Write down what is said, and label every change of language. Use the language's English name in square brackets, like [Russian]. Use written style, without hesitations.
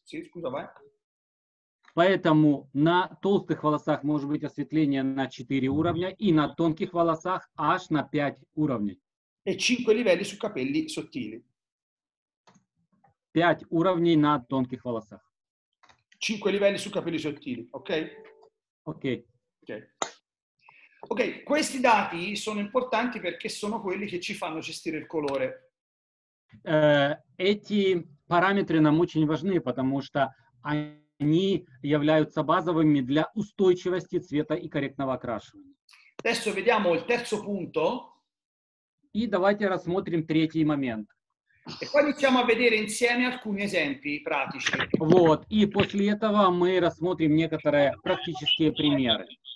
[Italian] Sì, scusa, vai. [Russian] Поэтому на толстых волосах может быть осветление на 4 уровня и на тонких волосах аж на 5 уровней. [Italian] E 5 livelli su capelli sottili. [Russian] 5 уровней на тонких волосах. [Italian] 5 livelli su capelli sottili, ok? Ok. Ok. Ok, questi dati sono importanti perché sono quelli che ci fanno gestire il colore. [Russian] Эти параметры нам очень важны, потому что они являются базовыми для устойчивости цвета и корректного окрашивания. [Italian] Adesso vediamo il terzo punto. [Russian] И давайте рассмотрим третий момент. [Italian] E poi iniziamo a vedere insieme alcuni esempi pratici. [Russian] Вот, и после этого мы рассмотрим некоторые практические примеры.